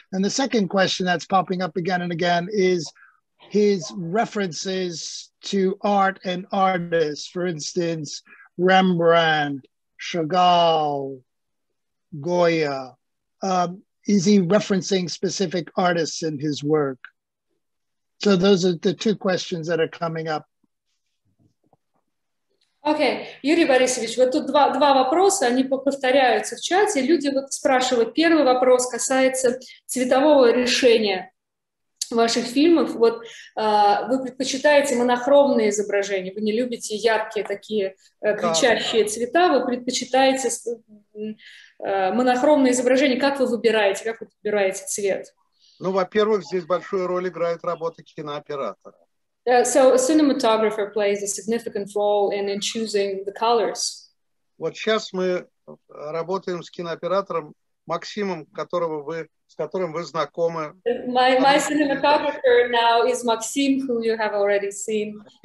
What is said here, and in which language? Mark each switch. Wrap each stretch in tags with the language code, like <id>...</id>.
<en>And the second question that's popping up again and again is his references to art and artists, for instance, Rembrandt, Chagall, Goya. Is he referencing specific artists in his work? So those are the two questions that are coming up.</en> <ru>Окей, Юрий Борисович, вот тут два вопроса, они повторяются в чате. Люди вот спрашивают, первый вопрос касается цветового решения ваших фильмов. Вот вы предпочитаете монохромные изображения, вы не любите яркие такие кричащие цвета, вы предпочитаете монохромные изображения. Как вы выбираете цвет? Ну, во-первых, здесь большую роль играет работа кинооператора.</ru> <en>So a cinematographer plays a significant role in choosing the colors.</en> <ru>Вот сейчас мы работаем с кинооператором Максимом, с которым вы знакомы.</ru> <en>My cinematographer now is Maxim, who you have already seen.</en>